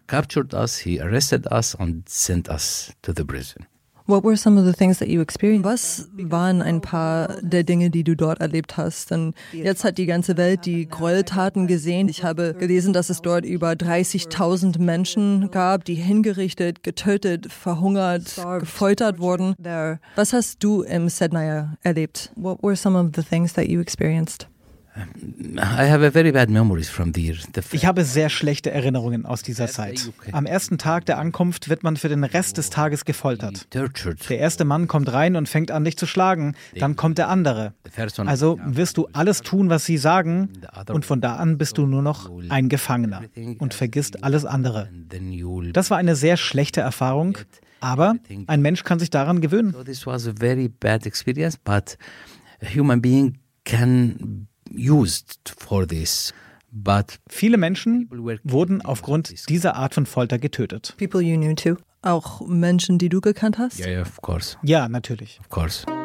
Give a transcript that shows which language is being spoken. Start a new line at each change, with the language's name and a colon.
English: He captured us, he arrested us and sent us to the prison. What were some of the things that you experienced?
German: Was waren ein paar der Dinge, die du dort erlebt hast? Denn jetzt hat die ganze Welt die Gräueltaten gesehen. Ich habe gelesen, dass es dort über 30.000 Menschen gab, die hingerichtet, getötet, verhungert, gefoltert wurden. Was hast du im Sednaya erlebt?
English: What were some of the things that you experienced? I have a very bad memories from there.
German: Ich habe sehr schlechte Erinnerungen aus dieser Zeit. Am ersten Tag der Ankunft wird man für den Rest des Tages gefoltert. Der erste Mann kommt rein und fängt an, dich zu schlagen. Dann kommt der andere. Also wirst du alles tun, was sie sagen. Und von da an bist du nur noch ein Gefangener und vergisst alles andere. Das war eine sehr schlechte Erfahrung, aber ein Mensch kann sich daran gewöhnen.
English: This was a very bad experience, but a human being can used for this, but
German: viele Menschen wurden aufgrund dieser Art von Folter getötet.
English: People you knew too,
German: auch Menschen, die du gekannt hast.
English: Yeah, of course.
German: Ja, natürlich.
English: Of course.